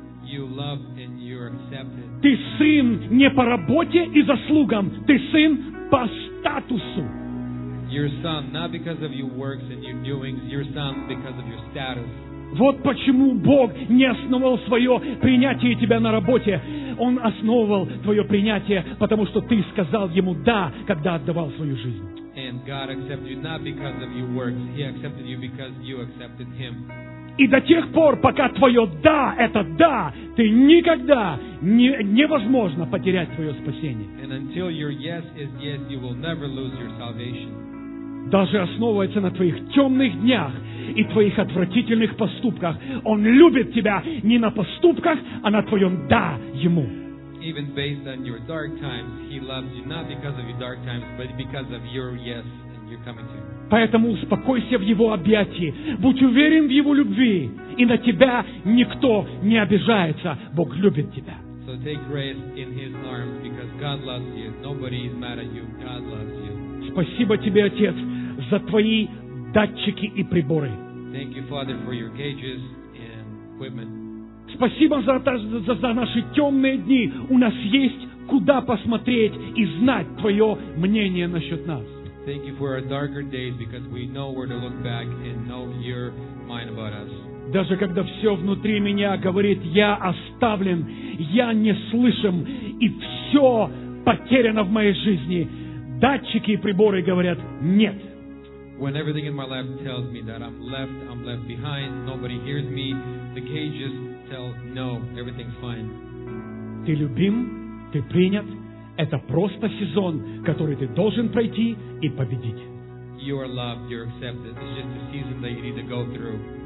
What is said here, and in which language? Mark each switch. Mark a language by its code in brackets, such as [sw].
[en] You love and you are accepted. [ru] Ты сын не по работе и заслугам, ты сын по статусу. [en] Your son, not because of your works and your doings, your son because of your status. [ru] Вот почему Бог не основывал свое принятие тебя на работе. Он основывал твое принятие, потому что ты сказал Ему «да», когда отдавал свою жизнь. [en] And God accepted you not because of your works. He accepted you because you accepted Him. [ru] И до тех пор, пока твое «да» — это «да», ты никогда невозможно потерять твое спасение. [en] And until your yes is yes, you will never lose your salvation. [ru] Даже основывается на твоих темных днях и твоих отвратительных поступках. Он любит тебя не на поступках, а на твоем «да» Ему. [en] Even based on your dark times, He loves you not because of your dark times, but because of your yes and your coming to Him. [ru] Поэтому успокойся в Его объятии. Будь уверен в Его любви. И на тебя никто не обижается. Бог любит тебя. [en] So take rest in His arms, because God loves you. Nobody is mad at you. God loves you. [ru] Спасибо тебе, Отец, за твои датчики и приборы. [en] Thank you, Father, for your gauges and equipment. [ru] Спасибо за наши темные дни. У нас есть куда посмотреть и знать твое мнение насчет нас. [en] Thank you for our darker days, because we know where to look back and know your mind about us. [ru] Даже когда все внутри меня говорит, я оставлен, я не слышим, и все потеряно в моей жизни, датчики и приборы говорят нет. [en] When everything in my life tells me that I'm left behind, nobody hears me, the cages tell no, everything's fine. [ru] Ты любим, ты принят. Это просто сезон, который ты должен пройти и победить. [en] You are loved, you're accepted. It's just a season that you need to go through.